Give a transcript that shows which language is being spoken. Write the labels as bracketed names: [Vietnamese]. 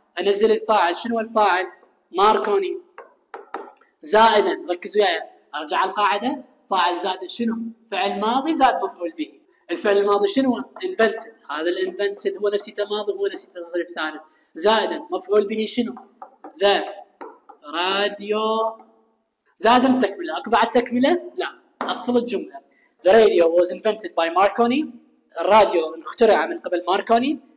[Arabic] انزل الفاعل، شنو الفاعل؟ ماركوني. زائدا ركزوا وياي، ارجع على القاعده، فاعل زائد شنو؟ فعل ماضي زائد مفعول به. الفعل الماضي شنو؟ invented. هذا ال invented هو نسيته ماضي وهو نسيته تصريف ثالث. زائدا مفعول به شنو؟ the radio. زاد التكملة، اكو بعد تكملة؟ لا، اقفل الجملة. [English] The radio was invented by Marconi. [Arabic] الراديو اخترع من قبل ماركوني.